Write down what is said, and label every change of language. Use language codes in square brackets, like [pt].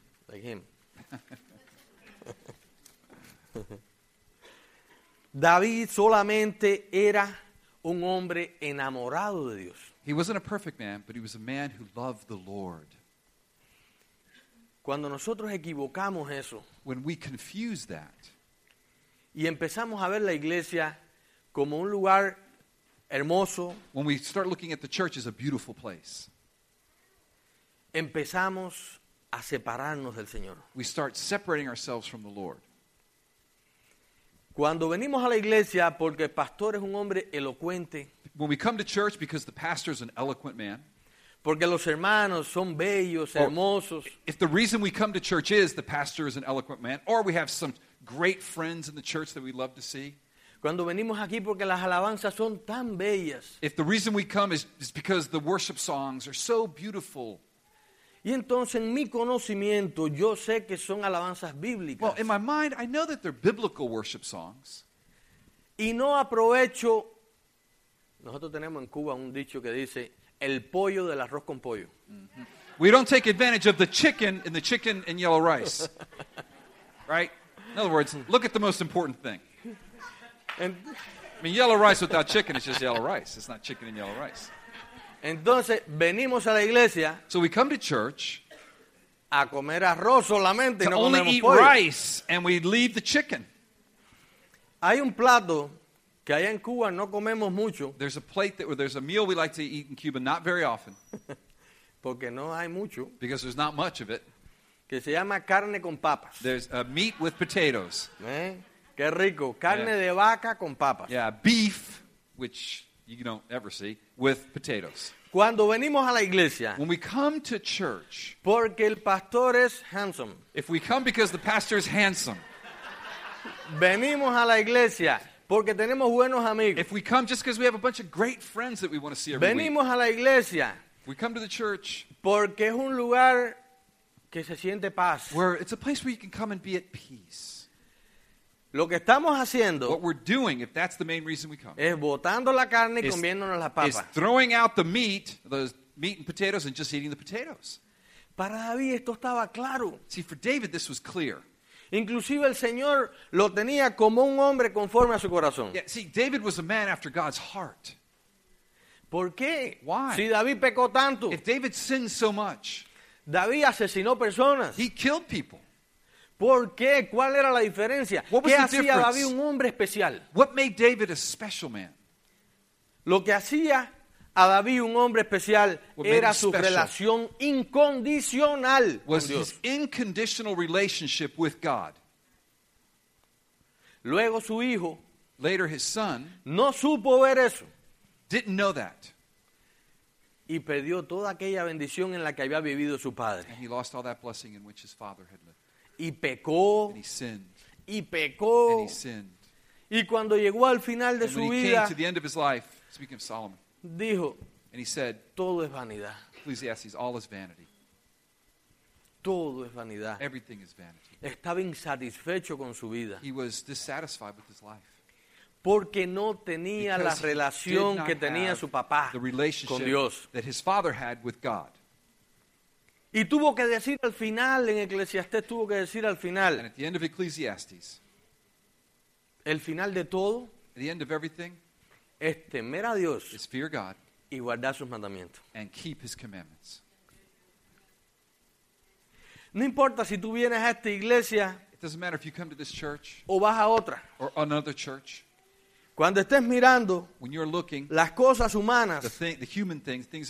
[en] Like him. [es] David solamente era un hombre enamorado de Dios. [en] He wasn't a perfect man, but he was a man who loved the Lord. [es] Cuando nosotros equivocamos eso, [en] when we confuse that, [es] y empezamos a ver la iglesia como un lugar hermoso, [en] when we start looking at the church as a beautiful place, [es] empezamos a separarnos del Señor. [en] We start separating ourselves from the Lord. [es] Cuando venimos a la iglesia porque el pastor es un hombre elocuente, [en] when we come to church because the pastor is an eloquent man, [es] porque los hermanos son bellos, hermosos, [en] if the reason we come to church is the pastor is an eloquent man, or we have some great friends in the church that we love to see, [es] cuando venimos aquí porque las alabanzas son tan bellas, [en] if the reason we come is because the worship songs are so beautiful, [es] y entonces en mi conocimiento yo sé que son alabanzas bíblicas. [en] Well, in my mind, I know that they're biblical worship songs. [es] Y no aprovecho. Nosotros tenemos en Cuba un dicho que dice el pollo del arroz con pollo. Mm-hmm. [en] We don't take advantage of the chicken in the chicken and yellow rice. Right? In other words, look at the most important thing. And, I mean, yellow rice without chicken is just yellow rice. It's not chicken and yellow rice. [es] Entonces venimos a la iglesia. [en] So we come to church [es] a comer arroz solamente, [en] to [es] no [en] only eat [es] pollo. [en] Rice and we leave the chicken. [es] Hay un plato que allá en Cuba no comemos mucho. [en] There's a plate that there's a meal we like to eat in Cuba, not very often. [es] Porque no hay mucho. [en] Because there's not much of it. [es] Que se llama carne con papas. [en] There's a meat with potatoes. [es] ¿Eh? Qué rico, carne yeah. de vaca con papas. [en] Yeah, beef, which you don't ever see, with potatoes. [es] Cuando venimos a la iglesia, [en] when we come to church, [es] porque el pastor es handsome, [en] if we come because the pastor is handsome, [es] venimos a la iglesia porque tenemos buenos amigos, [en] if we come just because we have a bunch of great friends that we want to see every [es] venimos [en] week, [es] a la iglesia, [en] we come to the church [es] porque es un lugar que se siente paz, [en] where it's a place where you can come and be at peace. [es] Lo que estamos haciendo, [en] what we're doing, if that's the main reason we come, [es] es botando la carne y comiéndonos las papas. [en] Is throwing out the meat, those meat and potatoes, and just eating the potatoes. [es] Para David esto estaba claro. [en] See, for David this was clear. [es] Inclusive el Señor lo tenía como un hombre conforme a su corazón. [en] Yeah, see, David was a man after God's heart. [es] ¿Por qué? [en] Why? [es] Si David pecó tanto. [en] If David sinned so much. [es] David asesinó personas. [en] He killed people. [es] ¿Por qué? ¿Cuál era la diferencia? ¿Qué hacía David un hombre especial? [en] What made David a special man? [es] Lo que hacía a David un hombre especial era su relación incondicional con Dios. [en] Was his unconditional relationship with God. [es] Luego su hijo, [en] later his son, [es] no supo ver eso. [en] Didn't know that. [es] Y perdió toda aquella bendición en la que había vivido su padre. [en] And he lost all that blessing in which his father had lived. [es] Y pecó. [en] And he sinned. [es] Y pecó. [en] And he sinned. [es] Y cuando llegó al final de [en] and [es] su vida. [en] And he came to the end of his life, speaking of Solomon. [es] Dijo. [en] And he said. [es] Todo es vanidad. [en] Ecclesiastes, all is vanity. [es] Todo es vanidad. [en] Everything is vanity. [es] Estaba insatisfecho con su vida. [en] He was dissatisfied with his life. [es] Porque no tenía la relación que tenía su papá con Dios. [en] Because he did not have the relationship that his father had with God. [es] Y tuvo que decir al final, en Eclesiastés tuvo que decir al final. [en] And at the end of Ecclesiastes. [es] El final de todo. [en] At the end of everything. [es] Es temer a Dios. [en] Is fear God. [es] Y guardar sus mandamientos. [en] And keep his commandments. [es] No importa si tú vienes a esta iglesia. [en] It doesn't matter if you come to this church. [es] O vas a otra. [en] Or another church. [es] Cuando estés mirando [en] when you're looking, [es] las cosas humanas, [en] the human things, things